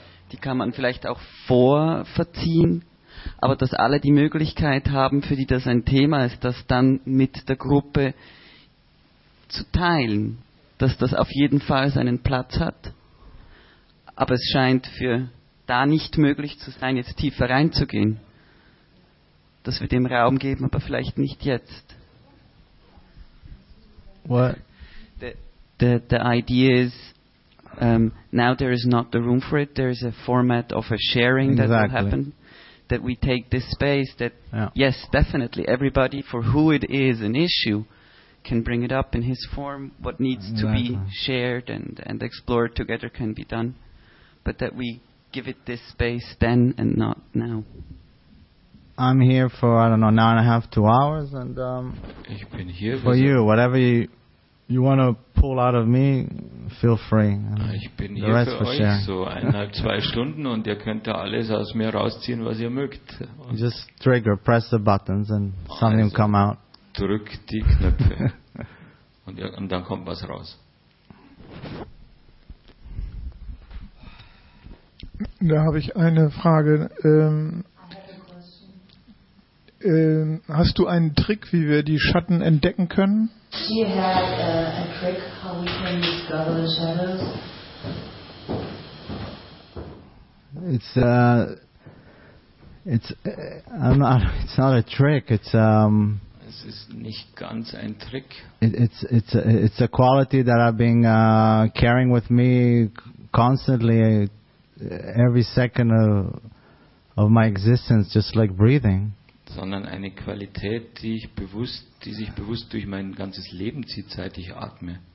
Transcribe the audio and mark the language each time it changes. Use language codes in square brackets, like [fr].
[de] Die kann man vielleicht auch vorverziehen. Aber dass alle die Möglichkeit haben, für die das ein Thema ist, das dann mit der Gruppe zu teilen, dass das auf jeden Fall seinen Platz hat. Aber es scheint für da nicht möglich zu sein, jetzt tiefer reinzugehen, dass wir dem Raum geben, aber vielleicht nicht jetzt. [en] What? The idea is, now there is not the room for it, there is a format of a sharing exactly. That will happen. That we take this space that, yeah. Yes, definitely, everybody for who it is an issue can bring it up in his form. What needs exactly. to be shared and explored together can be done. But that we give it this space then and not now. I'm here for, I don't know, 9.5, 2 hours. And [de] ich bin hier [en] for you, whatever you want to pull out of me, feel free. [de] Ich bin hier für euch [en] sharing. [de] So 1.5, 2 Stunden und ihr könnt da alles aus mir rausziehen, was ihr mögt. [en] Und just trigger, press the buttons and something [de] also [en] come out. [de] Drück die Knöpfe und dann kommt was raus. Da habe ich eine Frage. Hast du einen Trick, wie wir die Schatten entdecken können? [en] Do you have a trick how we can discover the shadows? It's not a trick. It's [de] Es ist nicht ganz ein Trick. [en] It's a quality that I've been carrying with me constantly, every second of my existence, just like breathing. [de] Sondern eine Qualität, die sich bewusst durch mein ganzes Leben zieht, seit ich atme.